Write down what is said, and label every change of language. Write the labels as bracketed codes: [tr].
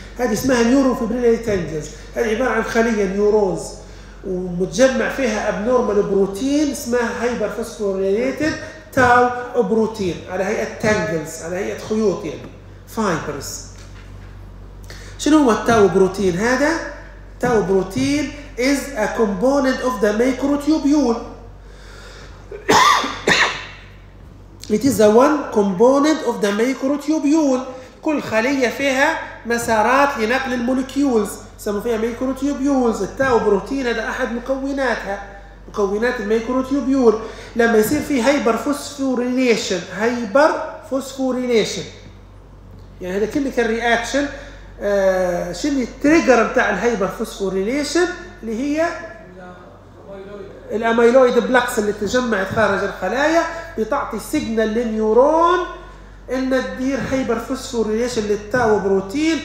[ar] هذه اسمها نيوروفيبريلاري تانجلز، هذه عباره عن خليه نيورونز ومتجمع فيها ابنورمال بروتين اسمها هايبر فوسفوريليتد تاو بروتين، على هيئه تانجلز، على هيئه خيوط يعني فايبرز. شنو هو التاو بروتين هذا؟ [en] Tau protein is a component of the microtubule. It is the one component of the microtubule. [ar] كل خلية فيها مسارات لنقل المولكيولز، سموا فيها microtubules. التاو بروتين هذا أحد مكوناتها، مكونات الميكروتيوبيول. لما يصير فيه هايبر فوسفوريليشن، هايبر فوسفوريليشن يعني هذا كيميكال رياكشن، شنو التريجر بتاع الهايبر فوسفوريليشن؟ اللي هي الامايلويد بلاكس اللي تجمعت خارج الخلايا، بتعطي سيجنال للنيورون ان تدير هايبر فوسفوريليشن للتاو بروتين.